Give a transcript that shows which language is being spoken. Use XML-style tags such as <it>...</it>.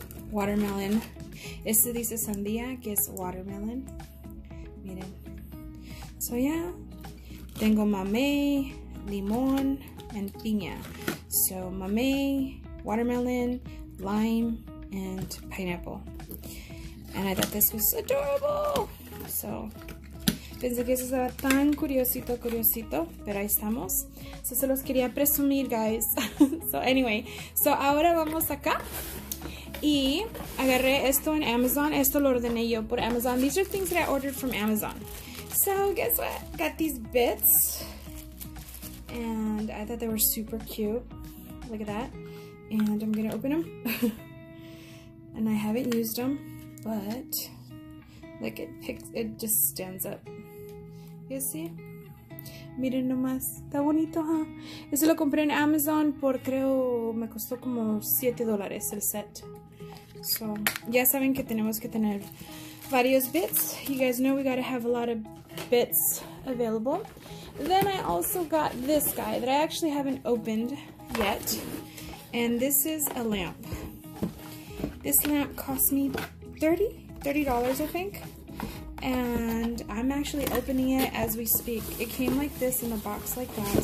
<es>Watermelon. Este dice sandía, que es watermelon. Miren. So yeah. Tengo mamey, limón, and piña.</es> <en>So mamey, watermelon, lime, and pineapple. And I thought this was adorable. So</en> <es>Pensé que eso estaba tan curiosito, pero ahí estamos. So, se los quería presumir, guys. So, anyway. So, ahora vamos acá. Y agarré esto en Amazon. Esto lo ordené yo por Amazon.</es> <en>These are things that I ordered from Amazon. So, guess what? Got these bits. And I thought they were super cute. Look at that. And I'm gonna open them. And I haven't used them, but like it picks, it just stands up. You see?</en> <es>Miren nomás. Está bonito, huh? Eso lo compré en Amazon por creo me costó como $7 el set. So, ya saben que tenemos que tener varios bits.</es> <en>You guys know we gotta have a lot of bits available. Then I also got this guy that I actually haven't opened yet. And this is a lamp. This lamp cost me $30, I think. And I'm actually opening it as we speak. It came like this in a box like that.</en>